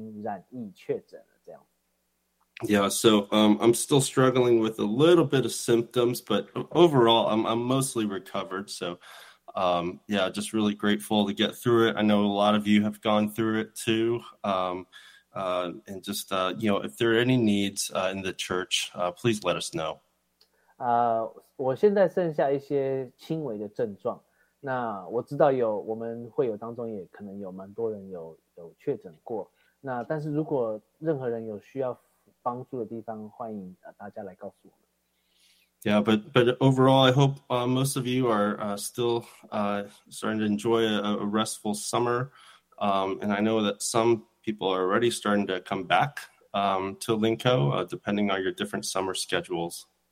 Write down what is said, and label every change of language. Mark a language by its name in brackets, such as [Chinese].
[Chinese] 所以，就像大部分的这个海外的行程一样，我们都非常的累。那虽然只有两个礼拜，然后再加上最近的这些疫情的关系，所以有点不容易。那刚好回来的时候也不小心染疫确诊了，这样。Yeah, [English] so I'm still struggling with a little bit of symptoms, but overall, I'm mostly recovered. So. Yeah, just really grateful to get through it. I know a lot of you have gone through it too. If there are any needs in the church, please let us know. [Chinese] 我现在剩下一些轻微的症状。那我知道有，我们会有当中也可能有蛮多人有确诊过。那但是如果任何人有需要帮助的地方，欢迎大家来告诉我。 [English] Yeah, but overall, I hope most of you are still starting to enjoy a restful summer. And I know that some people are already starting to come back to Linco, depending on your different summer schedules.